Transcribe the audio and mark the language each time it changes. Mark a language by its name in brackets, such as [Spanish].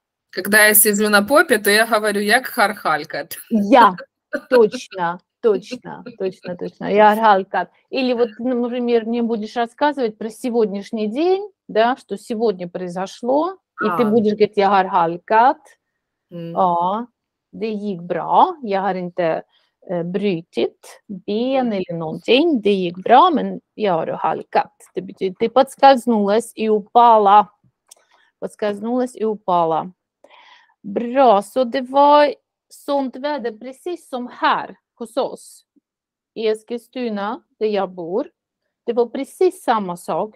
[Russian] Когда я сижу на попе, то я говорю, [Swedish] як хархалькат. [Russian] Я точно. Точно, точно, точно. [Swedish] Я аргалькат. [Russian] Или вот, например, мне будешь рассказывать про сегодняшний день, да, что сегодня произошло, и ты А. будешь говорить, [Swedish] я аргалькат. А, det gick bra. Jag har inte brutit ben eller någonting. Det gick bra, men jag har halkat. Det betyder, [Russian] ты подскользнулась и упала. Подскользнулась и упала. [Swedish] Бра, så det var sånt väder, precis som här. Hos oss i Eskilstuna, där jag bor, det var precis samma sak.